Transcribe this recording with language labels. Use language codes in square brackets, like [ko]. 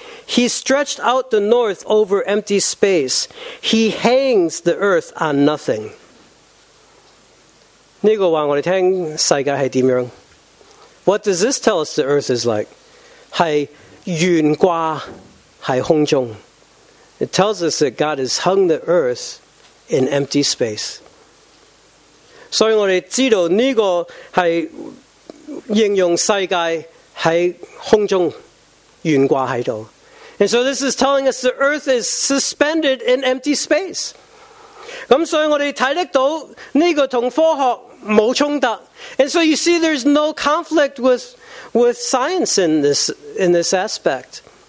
[en] He stretched out the north over empty space. He hangs the earth on nothing. [zh] 这个告诉我们世界是怎样。 [en] What does this tell us the earth is like? [zh] 是悬挂在空中. [en] It tells us that God has hung the earth in empty space. [zh] 所以我们知道这个是应用世界在空中悬挂在这里。 [en] And so this is telling us the earth is suspended in empty space. [zh] 所以我们看得到这个跟科学没冲突。 [en] And so you see there's no conflict with science in this aspect.